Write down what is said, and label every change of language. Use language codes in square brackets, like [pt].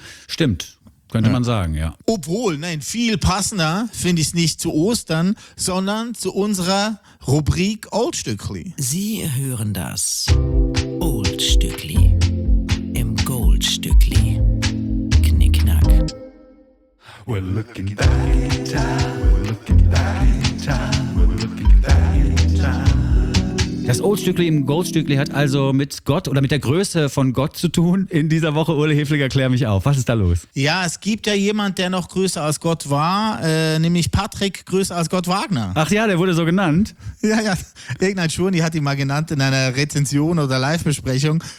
[de] Stimmt, könnte man sagen, ja. Obwohl, nein, viel passender finde ich es nicht zu Ostern, sondern zu unserer Rubrik Oldstückli. Sie hören das Oldstückli im Goldstückli. Knickknack. [en] We're looking back in time. We're looking back in time. We're looking back in time. [de] Das Oldstückli im Goldstückli hat also mit Gott oder mit der Größe von Gott zu tun in dieser Woche. Urli Hefliger, klär mich auf. Was ist da los? Ja, es gibt ja jemand, der noch größer als Gott war, nämlich Patrick größer als Gott Wagner. Ach ja, der wurde so genannt? Ja, ja. Irgendein Schwurni hat ihn mal genannt in einer Rezension oder Live-Besprechung.